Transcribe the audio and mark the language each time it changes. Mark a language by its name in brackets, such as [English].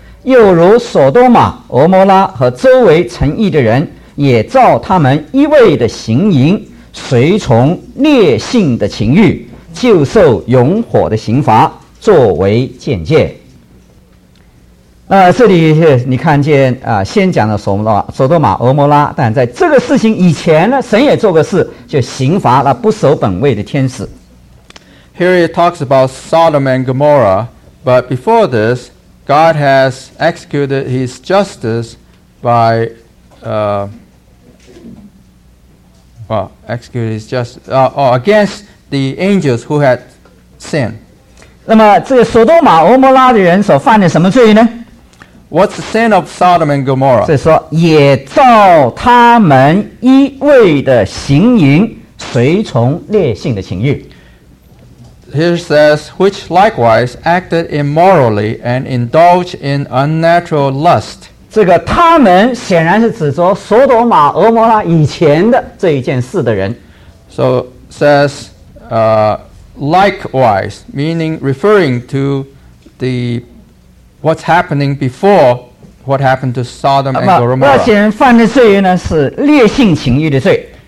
[Chinese] 又如索多玛、俄摩拉和周围城邑的人，也照他们一味的行淫，随从烈性的情欲，就受永火的刑罚，作为鉴戒。这里你看见先讲的索多玛俄摩拉，但在这个事情以前呢，神也做过事，就刑罚了不守本位的天使。 [English] Here it talks about Sodom and Gomorrah, but before this, God has executed His justice by Well, execute is just against the angels who had sinned. [Chinese] 那么这个索多玛、俄摩拉的人所犯的什么罪呢？ [English] What's the sin of Sodom and Gomorrah? [Chinese] 是说也照他们一味的行淫，随从烈性的情欲。 [English] Here says, which likewise acted immorally and indulged in unnatural lust. [Chinese] 这个他们显然是指着索多玛、俄摩拉以前的这一件事的人。 [English] So says, likewise, meaning referring to the what's happening before what happened to Sodom and Gomorrah. [Chinese] 那些人犯的罪呢，是烈性情欲的罪。